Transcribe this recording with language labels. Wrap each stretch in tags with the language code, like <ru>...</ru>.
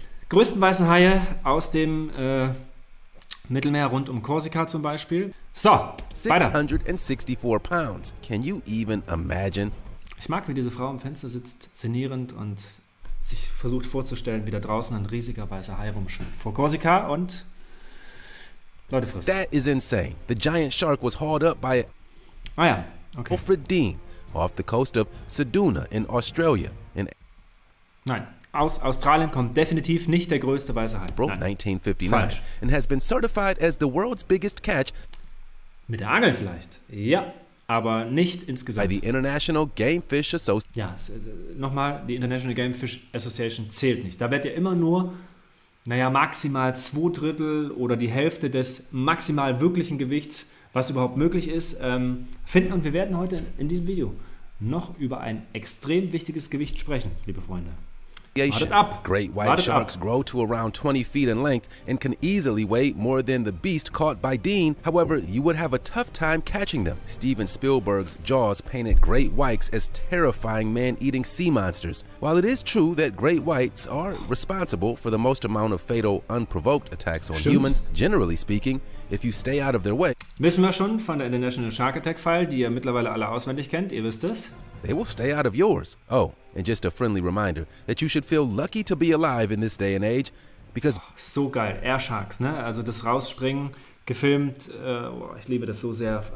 <de>Größten weißen Haie aus dem Mittelmeer rund um Korsika zum Beispiel. So, weiter.</de> <en>664 pounds. Can you even imagine?</en> <de>Ich mag, wie diese Frau am Fenster sitzt, szenierend und sich versucht vorzustellen, wie da draußen ein riesiger weißer Hai rumschwimmt. Vor Korsika und Leute frisst.</de> <en>That is insane. The giant shark was hauled up by Alfred Dean off the coast of Ceduna in Australia.</en> <de>Nein. Aus Australien kommt definitiv nicht der größte weiße Hai.</de> <en>Broke 1959.</en> <de>Falsch.</de> <en>And has been certified as the world's biggest catch.</en> <de>Mit der Angel vielleicht. Ja, aber nicht insgesamt.</de> <en>By the International Game Fish Association.</en> <de>Ja, nochmal, die International Game Fish Association zählt nicht. Da wird ja immer nur, naja, maximal 2/3 oder die Hälfte des maximal wirklichen Gewichts, was überhaupt möglich ist, finden. Und wir werden heute in diesem Video noch über ein extrem wichtiges Gewicht sprechen, liebe Freunde.</de> <en>Great white sharks grow to around 20 feet in length and can easily weigh more than the beast caught by Dean. However, you would have a tough time catching them. Steven Spielberg's Jaws painted great whites as terrifying man-eating sea monsters. While it is true that great whites are responsible for the most amount of fatal unprovoked attacks on humans, generally speaking, if you stay out of their way.</en> <de>Wissen wir schon von der International Shark Attack File, die ihr mittlerweile alle auswendig kennt, ihr wisst es.</de> <en>They will stay out of yours. Oh, and just a friendly reminder that you should feel lucky to be alive in this day and age, because</en> <de>oh, so geil, Air Sharks, ne? Also das Rausspringen, gefilmt, ich liebe das so sehr.</de>